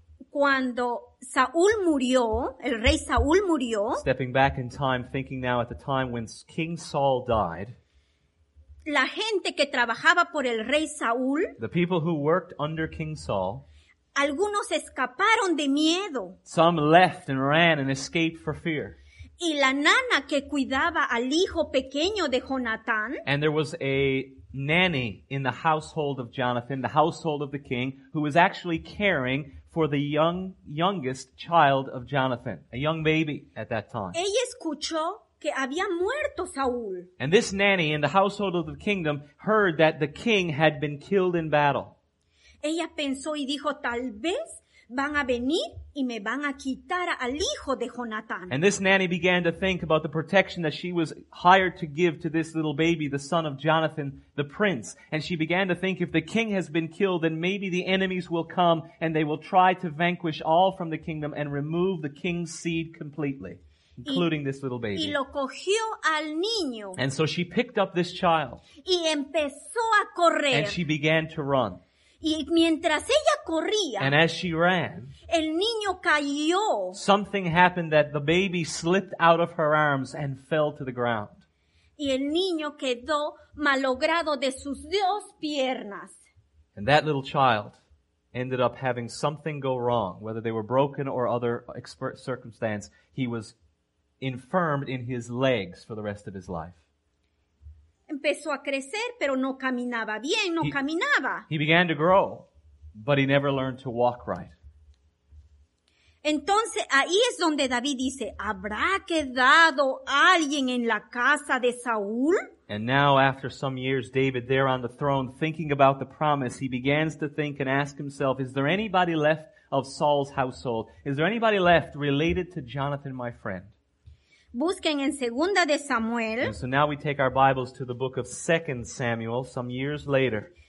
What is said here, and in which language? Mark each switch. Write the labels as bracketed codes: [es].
[es] Cuando Saúl murió, el rey Saúl murió. [en] Stepping back in time, thinking now at the time when King Saul died. [es] La gente que trabajaba por el rey Saúl. [en] The people who worked under King Saul. [es] Algunos escaparon de miedo. [en] Some left and ran and escaped for fear. [es] Y la nana que cuidaba al hijo pequeño de Jonatán. [en] And there was a nanny in the household of Jonathan, the household of the king, who was actually caring for the youngest child of Jonathan, a young baby at that time. [es] Ella escuchó que había muerto Saúl. [en] And this nanny in the household of the kingdom heard that the king had been killed in battle. [es] Ella pensó y dijo, tal vez van a venir y me van a quitar al hijo de Jonatán. [en] And this nanny began to think about the protection that she was hired to give to this little baby, the son of Jonathan, the prince. And she began to think, if the king has been killed, then maybe the enemies will come and they will try to vanquish all from the kingdom and remove the king's seed completely, including this little baby. [es] Y lo cogió al niño. [en] And so she picked up this child. [es] Y empezó a correr. [en] And she began to run. [es] Y mientras ella corría, [en] and as she ran, [es] el niño cayó. [en] Something happened that the baby slipped out of her arms and fell to the ground. [es] Y el niño quedó malogrado de sus dos piernas. [en] And that little child ended up having something go wrong, whether they were broken or other circumstance. He was infirmed in his legs for the rest of his life. [es] Empezó a crecer, pero no caminaba bien, no caminaba. [en] He began to grow, but he never learned to walk right. [es] Entonces, ahí es donde David dice, ¿habrá quedado alguien en la casa de Saúl? [en] And now, after some years, David, there on the throne, thinking about the promise, he begins to think and ask himself, is there anybody left of Saul's household? Is there anybody left related to Jonathan, my friend? [es] Busquen en Segunda de Samuel. [en] And so now we take our Bibles to the book of 2 Samuel, some years later.